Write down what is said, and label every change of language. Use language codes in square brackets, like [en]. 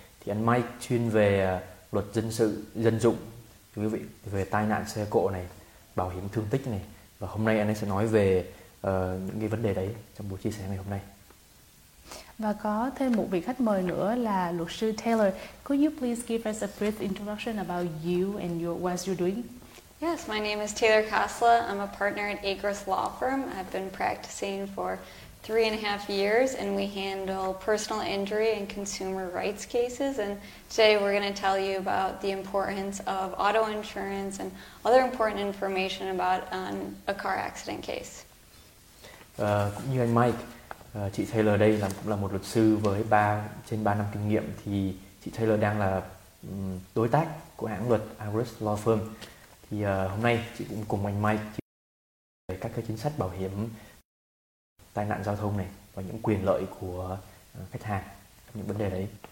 [vi] Thì anh Mike chuyên về luật dân sự, dân dụng, thưa quý vị, về tai nạn xe cộ này, bảo hiểm thương tích này. Và hôm nay anh ấy sẽ nói về những cái vấn đề đấy trong buổi chia sẻ ngày hôm nay. Và có thêm một vị khách mời nữa là luật sư Taylor. [en] Could you please give us a brief introduction about you and your, what you're doing? Yes, my name is Taylor Kosla. I'm a partner at Agris Law Firm. I've been practicing for 3.5 years, and we handle personal injury and consumer rights cases. And today we're going to tell you about the importance of auto insurance and other important information about a car accident case. [vi] Cũng như anh Mike, chị Taylor đây là cũng là một luật sư với trên 3 năm kinh nghiệm. Thì chị Taylor đang là đối tác của hãng luật Agris Law Firm. Thì hôm nay chị cũng cùng anh Mike về các cái chính sách bảo hiểm tai nạn giao thông này và những quyền lợi của khách hàng, những vấn đề đấy.